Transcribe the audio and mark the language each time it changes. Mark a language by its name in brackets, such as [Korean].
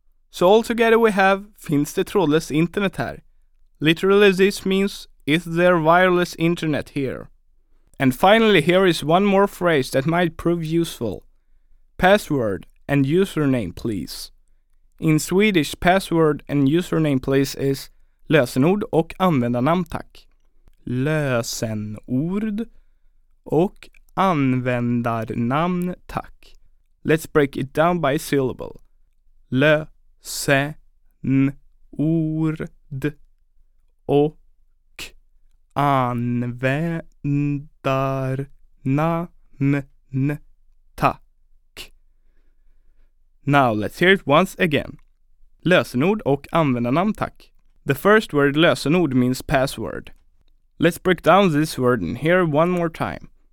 [English] So altogether we have, [Swedish] finns det trådlöst internet här? [English] Literally this means, is there wireless internet here? And finally here is one more phrase that might prove useful. Password and username please. In Swedish, password and username please is [Swedish] lösenord och användarnamn tack. Lösenord och användarnamn tack. [English] Let's break it down by syllable. [Swedish] Lösenord och användarnamn tack. [English] Now let's hear it once again. [Swedish] Lösenord och användarnamn tack. [English] The first word lösenord means password. Let's break down this word and hear it one more time.